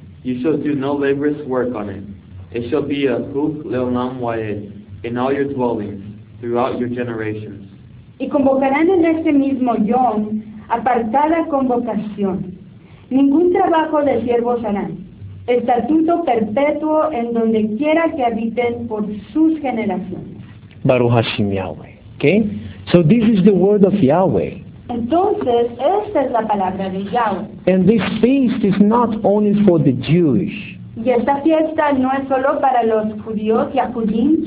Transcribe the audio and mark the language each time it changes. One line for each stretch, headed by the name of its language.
English: You shall do no laborious work on it. It shall be a
Hebrew: huk leolam wa'ed
English: in all your dwellings throughout your generations.
Spanish: Y convocarán en este mismo yom apartada convocación. Ningún trabajo de siervos harán. Estatuto perpetuo en donde quiera que habiten por sus generaciones.
Hebrew: Baruch Hashem Yahweh.
English: Okay? So this is the word of Yahweh.
Spanish: Entonces, esta es la palabra de Yahweh.
English: And this feast is not only for the Jewish.
Spanish: Y esta fiesta no es solo para los judíos y acudim.